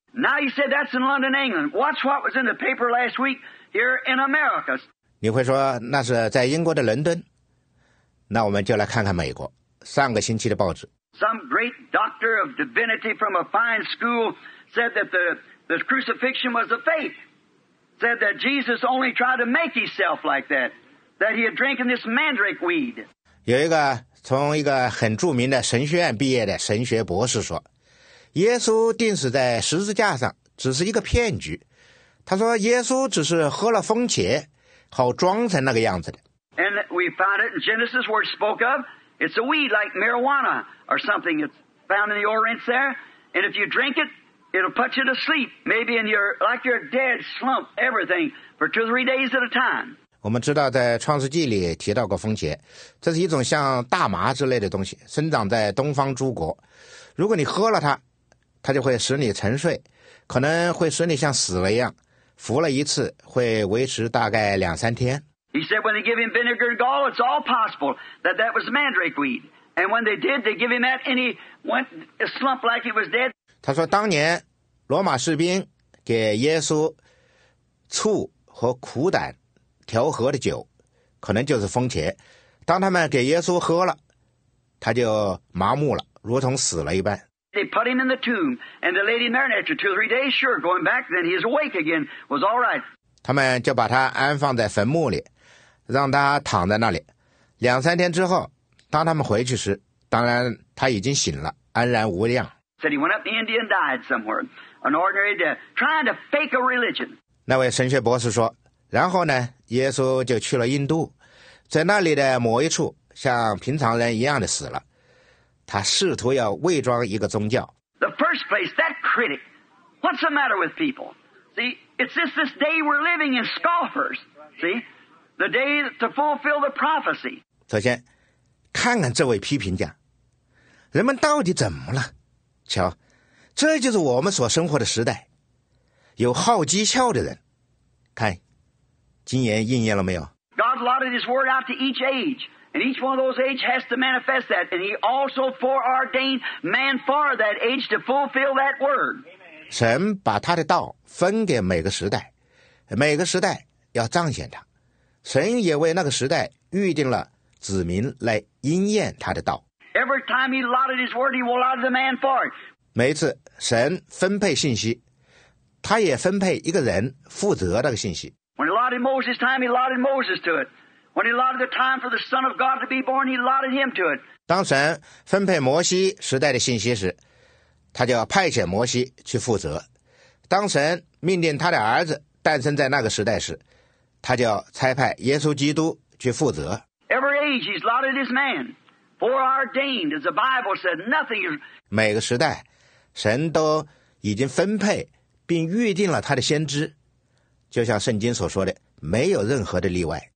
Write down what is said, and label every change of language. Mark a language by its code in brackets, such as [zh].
[en] Now you said that's in London, England. Watch what was in the paper last week here in America. [zh] 你会说那是在英国的伦敦，那我们就来看看美国上个星期的报纸。 [en] Some great doctor of divinity from a fine school said that the crucifixion was a fake. Said that Jesus only tried to make himself like that. That he had drinking this mandrake weed. [zh] 有一个从一个很著名的神学院毕业的神学博士说，耶稣钉死在十字架上只是一个骗局。他说耶稣只是喝了风茄，好装成那个样子的。 [en] And we found it in Genesis where it spoke of. It's a weed like marijuana or something. It's found in the Orients there. And if you drink it,It'll put you to sleep, maybe in your, like your dead slump, everything, for 2 or 3 days at a time. [zh] 我们知道在创世纪里提到过风茄，这是一种像大麻之类的东西，生长在东方诸国。如果你喝了它，它就会使你沉睡，可能会使你像死了一样，服了一次会维持大概两三天。 [en] He said when they give him vinegar and gall, it's all possible that that was mandrake weed. And when they did, they give him that and he went slump like he was dead. [zh] 他说当年罗马士兵给耶稣醋和苦胆调和的酒可能就是风茄，当他们给耶稣喝了，他就麻木了，如同死了一般。 [en] They put him in the tomb and the lady Mary after 2 or 3 days sure going back then he's awake again was all right. [zh] 他们就把他安放在坟墓里，让他躺在那里两三天之后，当他们回去时，当然他已经醒了，安然无恙。 [en] Said he went up to India and died somewhere. An ordinary death, trying to fake a religion. [zh] 那位神学博士说，然后呢，耶稣就去了印度，在那里的某一处，像平常人一样的死了。他试图要伪装一个宗教。 [en] The first place, that critic, what's the matter with people? See, it's just this day we're living in scoffers. See, the day to fulfill the prophecy. [zh] 首先，看看这位批评家，人们到底怎么了？瞧，这就是我们所生活的时代，有好讥诮的人。看，经言应验了没有？ [en] God allotted his word out to each age, and each one of those age has to manifest that, and he also foreordained man for that age to fulfill that word. [zh] 神把他的道分给每个时代，每个时代要彰显他，神也为那个时代预定了子民来应验他的道。 [en] Every time he allotted his word, he allotted the man for it. [zh] 每一次神分配信息，他也分配一个人负责那个信息。 [en] When he allotted Moses' time, he allotted Moses to it. When he allotted the time for the Son of God to be born, he allotted him to it. [zh] 当神分配摩西时代的信息时，他就派遣摩西去负责。当神命定他的儿子诞生在那个时代时，他就差派耶稣基督去负责。 [en] Every age, he's allotted his man. Foreordained, as the Bible said, nothing is. [zh] 每个时代，神都已经分配并预定了他的先知，就像圣经所说的，没有任何的例外。